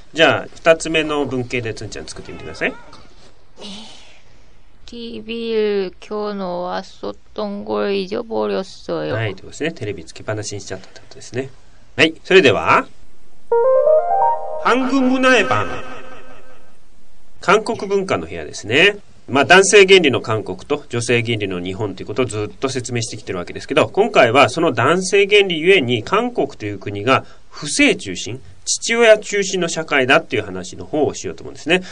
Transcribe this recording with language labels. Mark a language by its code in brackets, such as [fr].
[ja] じゃあ、二つ目の文型でつんちゃん作ってみてください。 [ko] TV を켜놓았었던걸잊어버렸어요 [ja] はい、ですね。テレビつけっぱなしにしちゃったってことですね。はい、それでは。 [ko] 韓国문화의밤。 [ja] 韓国文化の部屋ですね。まあ、男性原理の韓国と女性原理の日本ということをずっと説明してきてるわけですけど、今回はその男性原理ゆえに、韓国という国が父性中心、父親中心の社会だっていう話の方をしようと思うんですね。